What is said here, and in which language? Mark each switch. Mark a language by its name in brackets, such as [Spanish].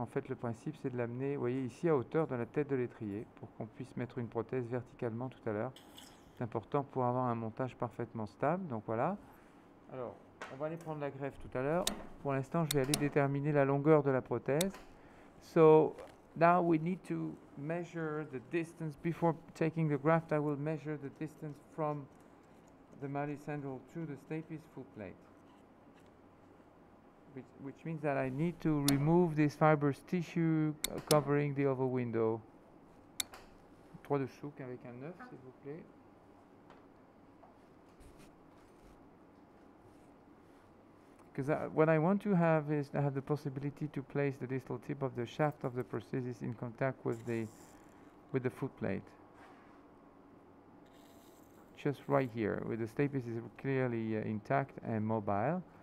[French] En fait, le principe, c'est de l'amener, vous voyez, ici à hauteur de la tête de l'étrier pour qu'on puisse mettre une prothèse verticalement tout à l'heure. C'est important pour avoir un montage parfaitement stable. Donc voilà. Alors, on va aller prendre la greffe tout à l'heure. Pour l'instant, je vais aller déterminer la longueur de la prothèse. [English] So, now we need to measure the distance. Before taking the graft, I will measure the distance from the malleus handle to the stapes foot plate, which means that I need to remove this fibrous tissue covering the oval window. [French] Trois de chouk avec un œuf, s'il vous plaît. [English] Because what I want to have is to have the possibility to place the distal tip of the shaft of the prosthesis in contact with the foot plate. Just right here, where the stapes is clearly intact and mobile.